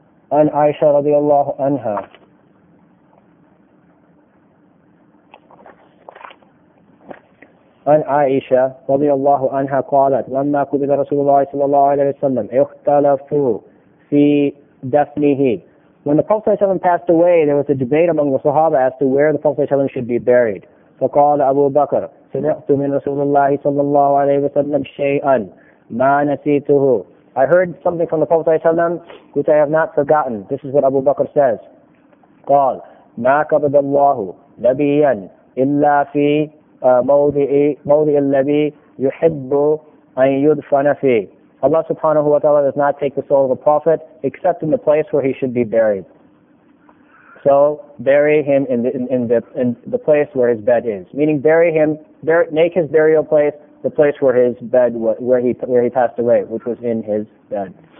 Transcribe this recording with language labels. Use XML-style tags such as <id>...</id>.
<ar>And Aisha radiallahu anha, عن عائشة رضي الله عنها قالت لما قبض رسول الله صلى الله عليه وسلم اختلفوا في دفنه.</ar> <en>When the Prophet ﷺ passed away, there was a debate among the Sahaba as to where the Prophet ﷺ should be buried.</en> <ar>فقال أبو بكر سمعت من رسول الله صلى الله عليه وسلم شيئا ما نسيته.</ar> <en>I heard something from the Prophet ﷺ which I have not forgotten. This is what Abu Bakr says.</en> <ar>قال ما قبض الله نبيا إلا في موضع الذي يحب أن يدفن فيه.</ar> <en>Allah subhanahu wa ta'ala does not take the soul of a prophet except in the place where he should be buried. So bury him in the place where his bed is. Meaning bury him, make his burial place the place where his bed where he passed away, which was in his bed.</en>